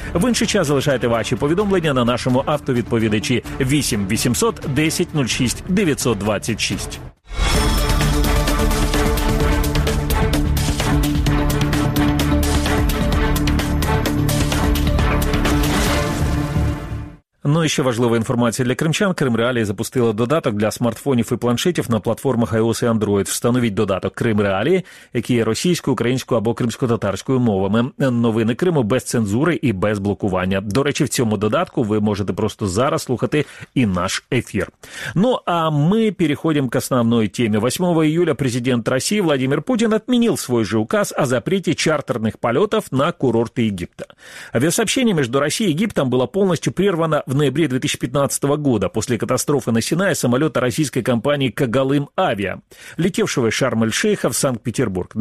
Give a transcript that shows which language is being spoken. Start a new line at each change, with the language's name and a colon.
Ukrainian: В інший час залишайте ваші повідомлення на нашому автовідповідачі 8 800 10 06 926. Ну і ще важлива інформація для кримчан. Крим Реалії запустила додаток для смартфонів і планшетів на платформах iOS і Android. Встановіть додаток Крим Реалії, який є російською, українською або кримсько-татарською мовами. Новини Криму без цензури і без блокування. До речі, в цьому додатку ви можете просто зараз слухати і наш ефір. Ну, а ми переходимо к основной темі.
Russian: 8 июля президент Росії Владимир Путін отменил свой же указ о запрете чартерных полетов на курорты Египта. Авиасообщение между Россией и Египтом было полностью прервано в ноябре 2015 года после катастрофы на Синае самолета российской компании «Когалым-Авиа», летевшего из Шарм-эль-Шейха в Санкт-Петербург.